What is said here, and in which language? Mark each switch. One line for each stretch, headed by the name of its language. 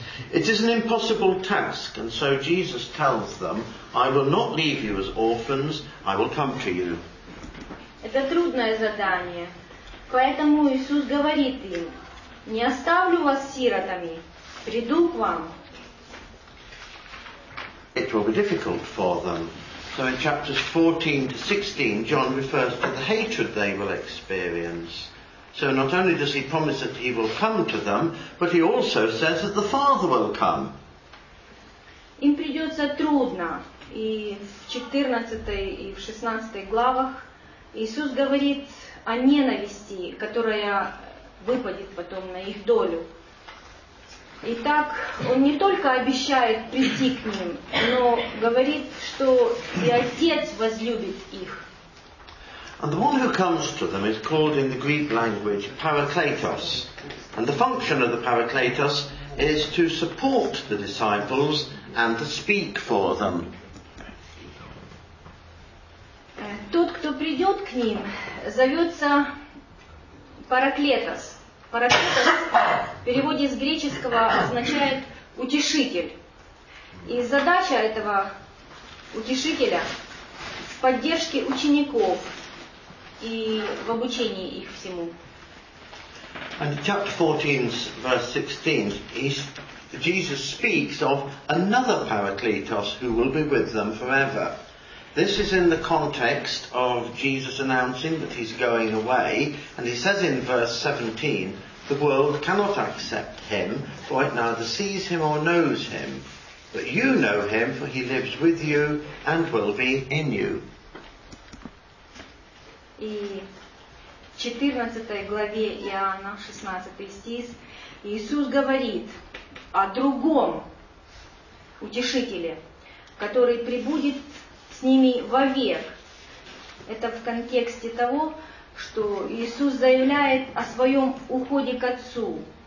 English: It is an impossible task, and so Jesus tells them, I will not leave you as orphans, I will come to you.
Russian: Это трудное задание. Поэтому Иисус говорит им, не оставлю вас сиротами, приду к вам.
English: It will be difficult for them. So in chapters 14 to 16, John refers to the hatred they will experience. So not only does he promise that he will come to them, but he also says that the Father will come.
Russian: Им придется трудно. И в 14 и в 16 главах Иисус говорит о ненависти, которая выпадет потом на их долю. Итак, он не только обещает прийти к ним, но говорит, что и Отец возлюбит их.
English: And the one who comes to them is called in the Greek language Parakletos. And the function of the Parakletos is to support the disciples and to speak for them.
Russian: Тот, кто придет к ним, зовется Параклетос. Параклетос в переводе с греческого означает утешитель. И задача этого утешителя в поддержке учеников и в обучении их всему.
English: And in chapter 14, verse 16, Jesus speaks of another Parakletos who will be with them forever. This is in the context of Jesus announcing that he's going away, and he says in verse 17, the world cannot accept him, for it neither sees him or knows him, but you know him, for he lives with you and will be in you.
Russian: И в 14 главе Иоанна, 16 стих, Иисус говорит о другом утешителе, который прибудет с ними вовек. Это в контексте того, что Иисус заявляет о своем уходе к Отцу.